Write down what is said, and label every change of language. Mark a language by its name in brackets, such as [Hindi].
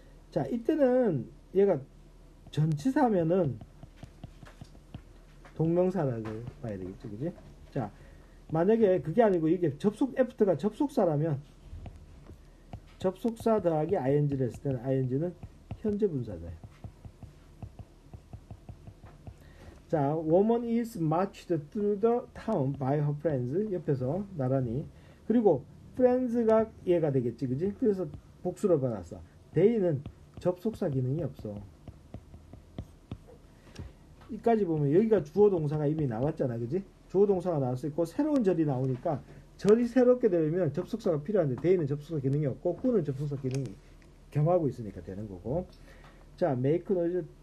[Korean] 자, 이때는 얘가 전치사면은 동명사라고 봐야 되겠죠, 그지? 자, 만약에 그게 아니고 이게 접속, after가 접속사라면 접속사 더하기 ing를 했을 때는 ing는 현재 분사다요. [English] 자, woman is marched through the town by her friends. [Korean] 옆에서 나란히. 그리고 friends가 얘가 되겠지, 그지? 그래서 복수를 받았어. they는 접속사 기능이 없어. 이까지 보면 여기가 주어 동사가 이미 나왔잖아, 그지? 주어 동사가 나왔었고 새로운 절이 나오니까 절이 새롭게 되면 접속사가 필요한데 대인은 접속사 기능이 없고 후는 접속사 기능이 겸하고 있으니까 되는 거고. 자, [English] make noise.